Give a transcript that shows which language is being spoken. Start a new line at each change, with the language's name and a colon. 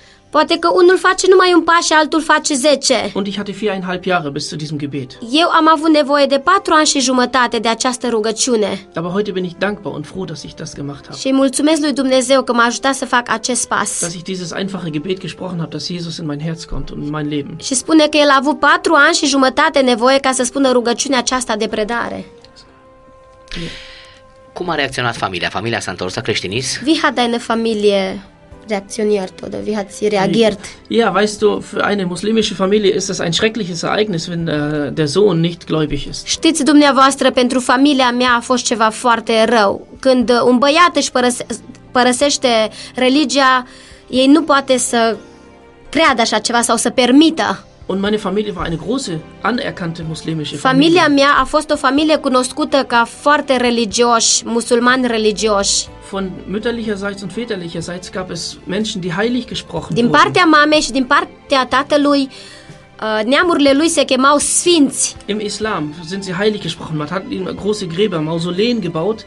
Romanian: Poate că unul face numai un pas și altul face 10.
German: Und ich hatte 4,5 Jahre bis zu diesem Gebet.
Romanian: Eu am avut nevoie de 4 ani și jumătate de această rugăciune.
German: Aber heute bin ich dankbar und froh, dass ich das gemacht habe.
Romanian: Și mulțumesc lui Dumnezeu că m-a ajutat să fac acest pas.
German: Dass ich dieses einfache Gebet gesprochen habe, dass Jesus in mein Herz kommt und in mein Leben.
Romanian: Și spune că el a avut 4 ani și jumătate nevoie ca să spună rugăciunea aceasta de predare. Cum a reacționat familia? Familia s-a întors la creștinism?
German: Wie hat deine Familie reagiert oder wie hat sie reagiert? Ja, weißt du, für eine muslimische Familie ist das ein schreckliches Ereignis, wenn der Sohn nicht gläubig ist.
Romanian: Știți dumneavoastră, pentru familia mea a fost ceva foarte rău când un băiat își părăsește religia, ei nu poate să creadă așa ceva sau să permită.
German: Und meine Familie war eine große, anerkannte muslimische Familie.
Romanian: Familia mea a fost o familie cunoscută ca foarte religioși, musulmani religioși.
German: Von mütterlicherseits und väterlicherseits gab es Menschen, die heilig gesprochen wurden.
Romanian: Din partea mamei și din partea tatălui, neamurile lui se chemau sfinți.
German: Im Islam sind sie heilig gesprochen. Man hat ihnen große Gräber, Mausoleen gebaut.